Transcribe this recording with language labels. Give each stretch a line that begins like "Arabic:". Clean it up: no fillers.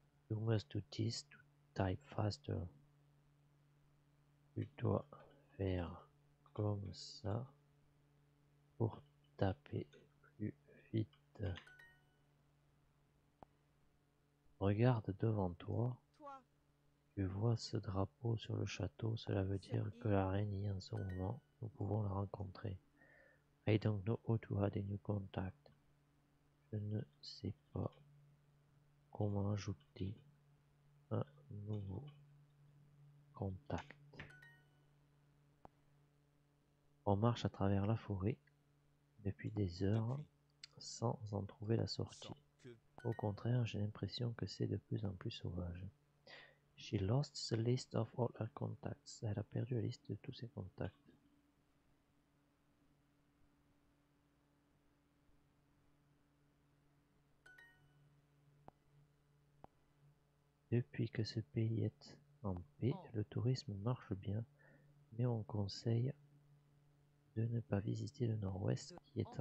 English: You must do this to type faster.
French: Tu dois faire comme ça pour taper plus vite. Regarde devant toi. Tu vois ce drapeau sur le château. Cela veut dire que la reine y est en ce moment. Nous pouvons la rencontrer.
English: I don't know how to add a new contact.
French: Je ne sais pas comment ajouter un nouveau contact. On marche à travers la forêt depuis des heures sans en trouver la sortie. Au contraire, j'ai l'impression que c'est de plus en plus sauvage.
English: She lost the list of all her contacts.
French: Elle a perdu la liste de tous ses contacts. Depuis que ce pays est en paix, le tourisme marche bien, mais on conseille de ne pas visiter le nord-ouest qui est